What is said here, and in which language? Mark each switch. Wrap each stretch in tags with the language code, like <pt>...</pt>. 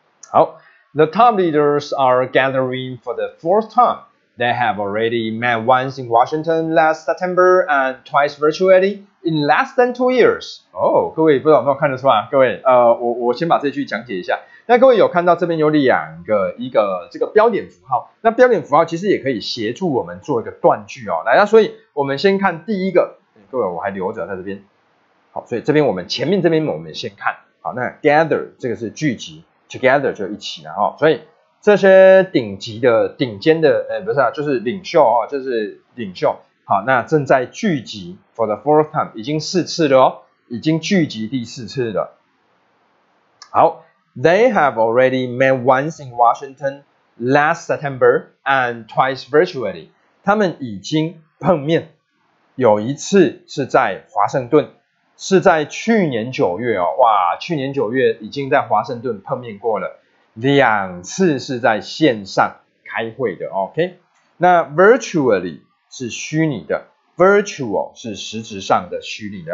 <en>好 ，The top leaders are gathering for the fourth time. They have already met once in Washington last September and twice virtually in less than 2 years.</en> <zh>哦，各位不知道有没有看得出来？各位，我先把这句讲解一下。那各位有看到这边有两个一个这个标点符号，那标点符号其实也可以协助我们做一个断句哦。来，那所以我们先看第一个，各位我还留着在这边。好，所以这边我们前面这边我们先看好，那 gather 这个是聚集 ，together 就一起了哈、哦。所以这些顶尖的，不是啊，就是领袖啊、哦，就是领袖。好，那正在聚集</zh> <en>for the fourth time，</en> <zh>已经四次了哦，已经聚集第四次了。</zh> <en>好 ，they have already met once in Washington last September and twice virtually。</en> <zh>他们已经碰面，有一次是在华盛顿。是在去年九月哦，哇，去年九月已经在华盛顿碰面过了，两次是在线上开会的 ，OK？那 virtually 是虚拟的 ，virtual 是实质上的虚拟的。</zh>